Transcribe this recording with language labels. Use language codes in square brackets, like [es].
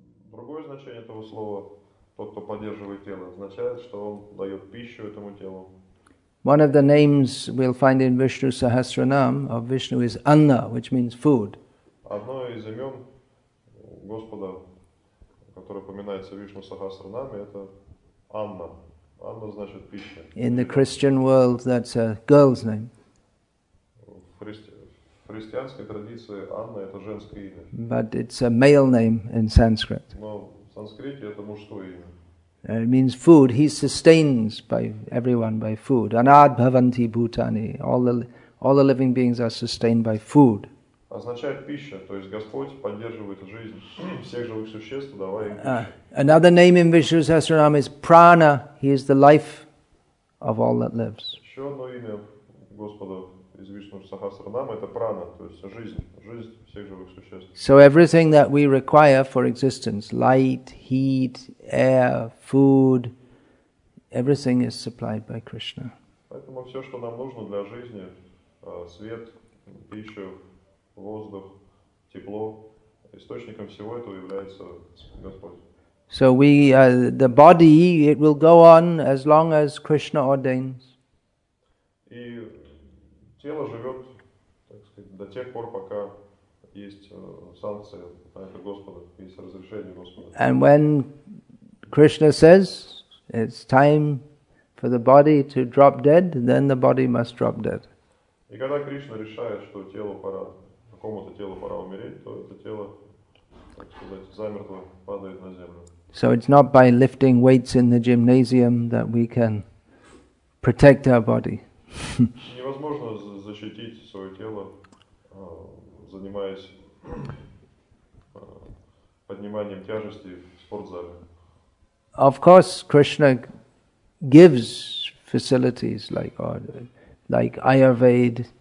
[ru] Другое значение этого слова, тот, кто поддерживает тело, означает, что он дает пищу этому телу. [en] One of the names we'll find in Vishnu Sahasranam of Vishnu is Anna, which means food. [ru] Одно из имен Господа, которое упоминается в Вишну Сахасранаме, это Анна. Анна значит пища. [en] In the Christian world, that's a girl's name. [ru] В христианской традиции Анна – это женское имя. [en] But it's a male name in Sanskrit. [ru] Но в санскрите это мужское имя. [en] It means food. He sustains by everyone by food. [sa] Anad bhavanti bhutani. [en] All the living beings are sustained by food. [ru] Означает пища, то есть Господь поддерживает жизнь всех живых существ, давая им пищу. [en] Another name in Vishnu Sahasranam is prana. He is the life of all that lives. [ru] Еще одно имя Господа из Вишну Сахасранама это прана, то есть жизнь всех живых существ. [en] So everything that we require for existence, light, heat, air, food, everything is supplied by Krishna. [ru] Поэтому все, что нам нужно для жизни, свет, пищу, воздух, тепло, источником всего этого является Господь. [en] So we the body, it will go on as long as Krishna ordains. [ru] И тело живет, так сказать, до тех пор, пока есть санкция на это Господа, есть разрешение Господа. [en] And when Krishna says it's time for the body to drop dead, then the body must drop dead. [ru] И когда Кришна решает, что тело пора, какому-то телу пора умереть, то это тело, так сказать, замертво падает на землю. [en] So it's not by lifting weights in the gymnasium that we can protect our body. [ru] Невозможно защитить свое тело, занимаясь подниманием тяжести в спортзале. [en] Of course, Krishna gives facilities like Ayurveda,